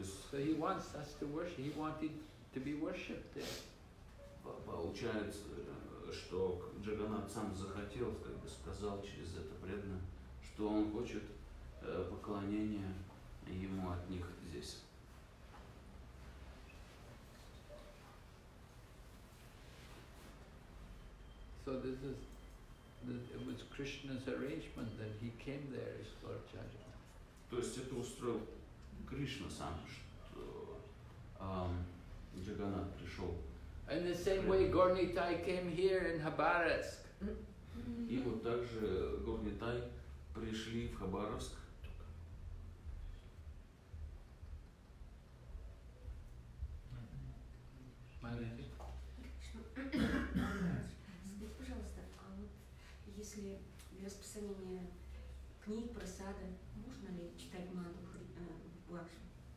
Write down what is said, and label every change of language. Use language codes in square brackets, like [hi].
[en] So he wants us to worship. He wanted to be worshipped there. [ru] Получается, что Джаганнат сам захотел, как бы сказал через это преданное, что он хочет поклонения ему от них здесь. [en] So this is it was Krishna's arrangement that he came there as Lord Jagannath. [ru] То есть это устроил Кришна сам, что Джаганнат пришел. [en] In the same way Gornitai came here in Khabarovsk. [ru] И вот также Горнитай пришли в Хабаровск. Скажите, пожалуйста, а вот если для распространения книг, просады, можно ли читать манту Лакшми?